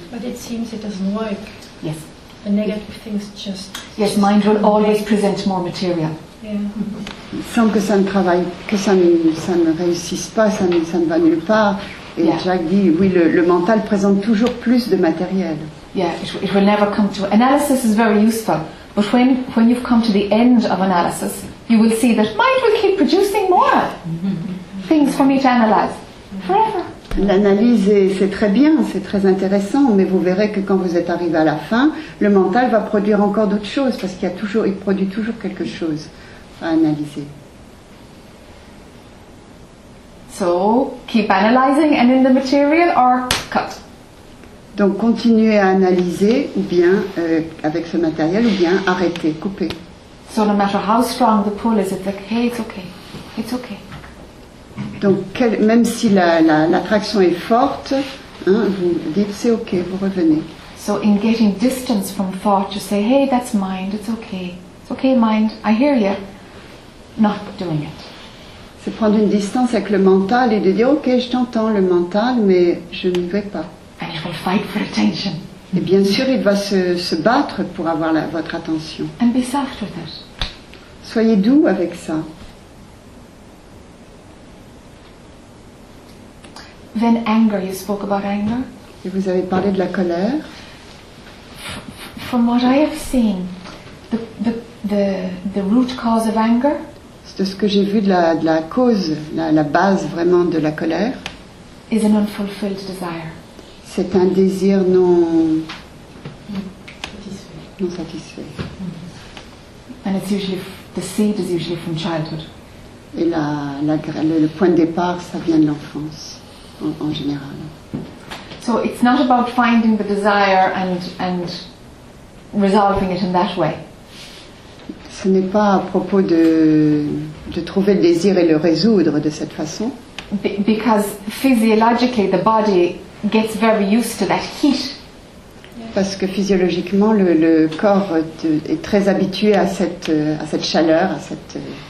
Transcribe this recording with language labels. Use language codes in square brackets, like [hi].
[en] But it seems it doesn't work. Yes. The negative things just. Yes, mind will always present more material. Yeah. [fr] Il semble que ça ne travaille, que ça ne réussisse pas, ça ne va nulle part. Et yeah. Jack dit, oui, le mental présente toujours plus de matériel. [en] Yeah, it will never come to. Analysis is very useful, but when you've come to the end of analysis, you will see that mind will keep producing more things for me to analyze. [fr] L'analyse, c'est très bien, c'est très intéressant, mais vous verrez que quand vous êtes arrivé à la fin, le mental va produire encore d'autres choses, parce qu'il produit toujours quelque chose à analyser. [en] So, keep analyzing and in the material, or cut. [fr] Donc, continuez à analyser, ou bien, avec ce matériel, ou bien arrêter, couper. [en] So, no matter how strong the pull is, it's like, hey, it's okay, it's okay. [fr] Donc, même si l'attraction est forte, hein, vous dites c'est ok, vous revenez. [en] So in getting distance from thought, you say, hey, that's mind, it's okay, mind, I hear you, not doing it. [fr] C'est prendre une distance avec le mental et de dire ok, je t'entends le mental, mais je ne vais pas. [en] And it will fight for attention. [fr] Et bien sûr, il va se battre pour avoir votre attention. [en] And be soft with it. [fr] Soyez doux avec ça. [en] Then anger, you spoke about anger. [fr] Et vous avez parlé de la colère. [en] From what I have seen, the root cause of anger. [fr] C'est de ce que j'ai vu de la cause, la base vraiment de la colère. [en] Is an unfulfilled desire. [fr] C'est un désir non satisfait. Non satisfait. Mm-hmm. [en] And it's usually the seed is usually from childhood. [fr] Et le point de départ, ça vient de l'enfance. En général. [en] So it's not about finding the desire and resolving it in that way. [fr] Ce n'est pas à propos de trouver le désir et le résoudre de cette façon. [en] Because physiologically the body gets very used to that heat. [fr] Parce que physiologiquement le corps est très habitué à cette chaleur, à cette.